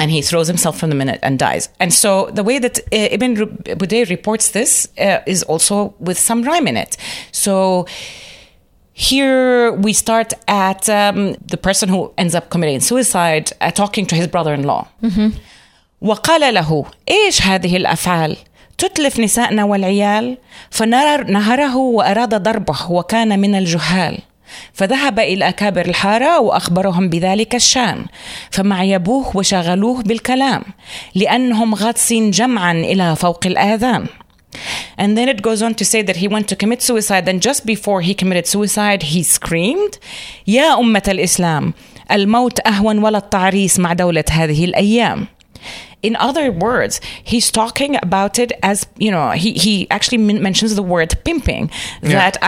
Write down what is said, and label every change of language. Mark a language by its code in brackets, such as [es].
[en] And he throws himself from the minaret and dies. And so the way that Ibn Budayr reports this is also with some rhyme in it. So here we start at the person who ends up committing suicide talking to his brother-in-law. [ar] وَقَالَ لَهُ إِيشْ هَذِهِ الْأَفْعَالِ تُتْلِفْ نِسَاءَنَا وَالْعِيَالِ فَنَهَرَهُ وَأَرَادَ ضَرْبَهُ وَكَانَ مِنَ الْجُهَالِ فذهب إلى أكابر الحارة وأخبرهم بذلك الشان فمعيبوه وشغلوه بالكلام لأنهم غاطسين جمعا إلى فوق الآذان. [en] And then it goes on to say that he went to commit suicide, and just before he committed suicide he screamed, [ar] يا أمة الإسلام الموت أهون ولا التعريس مع دولة هذه الأيام. [en] In other words, he's talking about it as, you know, he actually mentions the word pimping, that yeah.